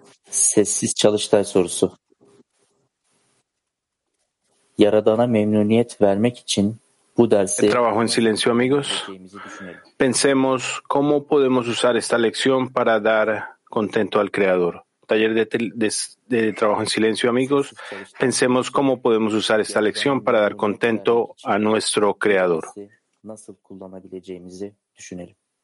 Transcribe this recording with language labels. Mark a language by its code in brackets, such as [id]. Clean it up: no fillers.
[tr] Sessiz çalıştay sorusu. Yaradana memnuniyet vermek için bu dersi... [es] Trabajo en silencio, amigos. Pensemos cómo podemos usar esta lección para dar contento al Creador. Taller de trabajo en silencio, amigos. Pensemos cómo podemos usar esta lección para dar contento a nuestro Creador. [tr] Nasıl kullanabileceğimizi düşünelim.